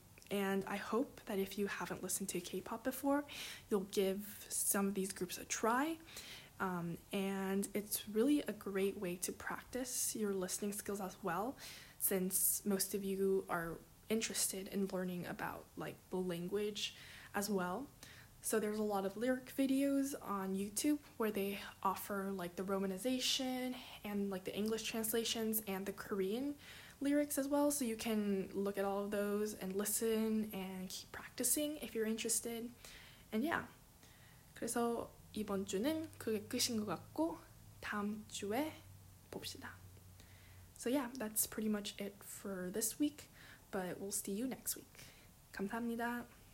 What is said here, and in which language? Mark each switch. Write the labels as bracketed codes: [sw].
[en] and I hope that if you haven't listened to K-pop before, you'll give some of these groups a try, and it's really a great way to practice your listening skills as well, since most of you are interested in learning about, like, the language as well. So there's a lot of lyric videos on YouTube where they offer like the romanization and like the English translations and the Korean lyrics as well. So you can look at all of those and listen and keep practicing if you're interested. And yeah, [ko] 그래서 이번 주는 그게 끝인 것 같고 다음 주에 봅시다. [en] So yeah, that's pretty much it for this week, but we'll see you next week. [ko] 감사합니다.